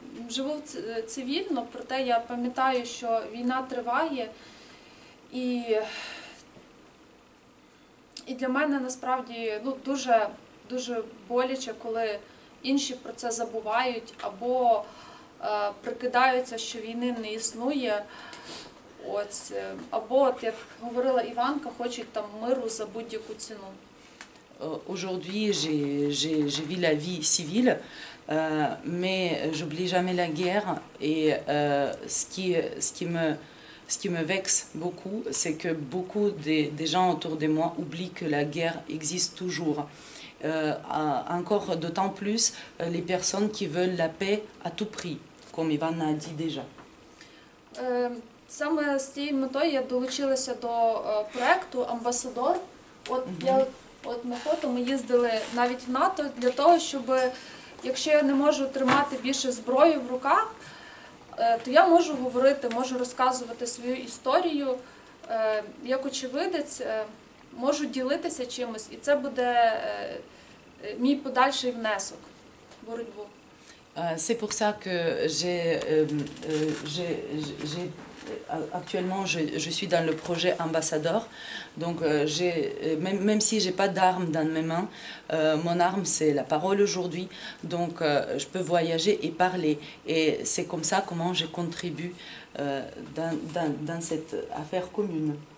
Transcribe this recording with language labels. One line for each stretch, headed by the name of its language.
Ukrainian: Живу цивільно, проте я пам'ятаю, що війна триває, і для мене насправді дуже боляче, коли інші про це забувають або прикидаються, що війни не існує. Або, от як говорила Іванка, хочуть там миру за будь-яку ціну.
French: Aujourd'hui, j'ai vu la vie civile, mais j'oublie jamais la guerre. Et ce qui me vexe beaucoup, c'est que beaucoup des gens autour de moi oublient que la guerre existe toujours. Encore d'autant plus les personnes qui veulent la paix à tout prix, comme Ivan a dit déjà.
Ukrainian: Саме з цією метою я долучилася до проекту Амбасадор. От ми фото, ми їздили навіть в НАТО для того, щоб, якщо я не можу тримати більше зброї в руках, то я можу говорити, можу розказувати свою історію, як очевидець, можу ділитися чимось, і це буде мій подальший внесок в боротьбу.
French: C'est pour ça que actuellement, je suis dans le projet Ambassador. Donc, même si je n'ai pas d'arme dans mes mains, mon arme, c'est la parole aujourd'hui. Donc, je peux voyager et parler. Et c'est comme ça comment je contribue dans cette affaire commune.